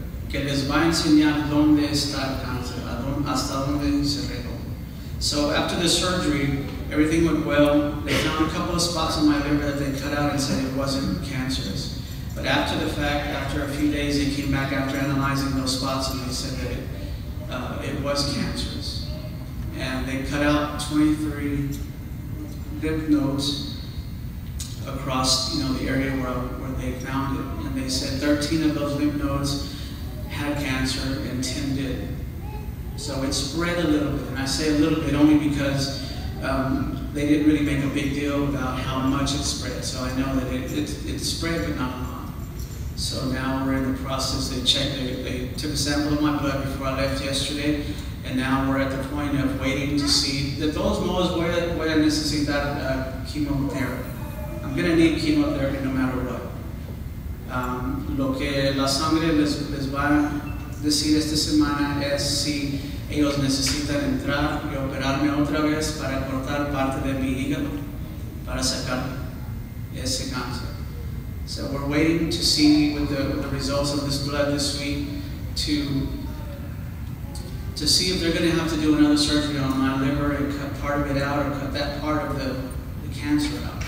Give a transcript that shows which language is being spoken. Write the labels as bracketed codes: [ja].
[es] Que les va a enseñar dónde está el cáncer, hasta dónde se regó. [en] So after the surgery, everything went well. They found a couple of spots in my liver that they cut out and said it wasn't cancerous. But after the fact, after a few days, they came back after analyzing those spots and they said that it was cancerous. And they cut out 23 lymph nodes across, you know, the area where they found it, and they said 13 of those lymph nodes had cancer and 10 did. So it spread a little bit, and I say a little bit only because they didn't really make a big deal about how much it spread. So I know that it spread, but not a lot. So now we're in the process. They checked, they took a sample of my blood before I left yesterday, and now we're at the point of waiting to see that those moles where I necessitate that chemotherapy. I'm gonna need chemotherapy no matter what. [es] Lo que la sangre les va a decir esta semana es si ellos necesitan entrar y operarme otra vez para cortar parte de mi hígado para sacar ese cáncer. [en] So we're waiting to see with the results of this blood this week to see if they're going to have to do another surgery on my liver and cut part of it out or cut that part of the cancer out.